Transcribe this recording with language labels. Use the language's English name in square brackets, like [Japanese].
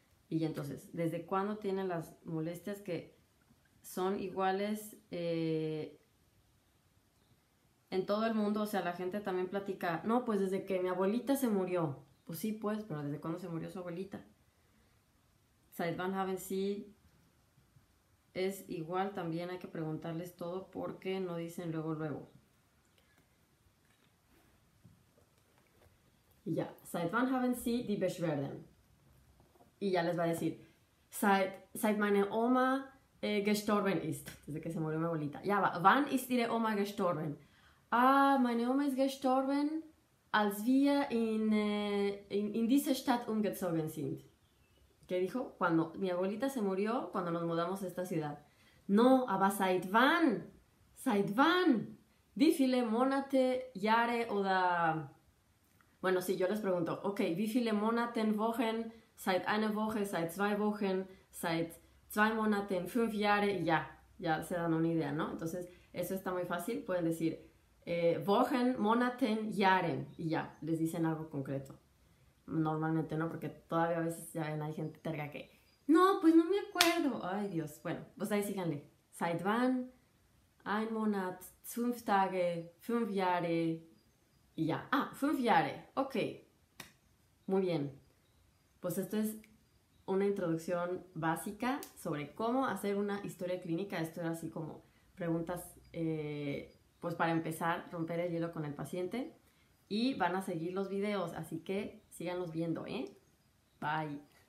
[Spanish] Y entonces, ¿desde cuándo tienen las molestias que son iguales en todo el mundo? O sea, la gente también platica, no, pues desde que mi abuelita se murió. Pues sí, pues, pero ¿desde cuándo se murió su abuelita? [German] Seit wann haben Sie, [Spanish] es igual, también hay que preguntarles todo porque no dicen luego, luego. Y ya, [German] seit wann haben Sie die Beschwerden? [Spanish] Y ya les va a decir, [German] seit meine Oma gestorben ist, [Spanish] desde que se murió mi abuelita. Ya va, [German] wann ist Ihre Oma gestorben? Ah, meine Oma ist gestorben, als wir in diese Stadt umgezogen sind. [Spanish] ¿Qué dijo? Cuando mi abuelita se murió, cuando nos mudamos a esta ciudad. [German] No, aber seit wann? Seit wann? Wie viele Monate, Jahre oder... [Spanish] Bueno, sí, yo les pregunto, [German] ok, wie viele Monate, Wochen, seit einer Woche, seit zwei Wochen, seit zwei Monaten, fünf Jahre, ja. [Spanish] Ya se dan una idea, ¿no? Entonces, eso está muy fácil, pueden decir... [German] Wochen, Monaten, Jahren, [Spanish] y ya, les dicen algo concreto. Normalmente no, porque todavía a veces ya hay gente terga que, no, pues no me acuerdo, ay Dios, bueno, pues ahí síganle. [German] Seit wann, ein Monat, fünf Tage, fünf Jahre, y ya. [Spanish] Ah, [German] fünf Jahre, [Spanish] ok, muy bien. Pues esto es una introducción básica sobre cómo hacer una historia clínica. Esto era así como preguntas... pues para empezar, romper el hielo con el paciente. Y van a seguir los videos, así que síganlos viendo, ¿eh? Bye.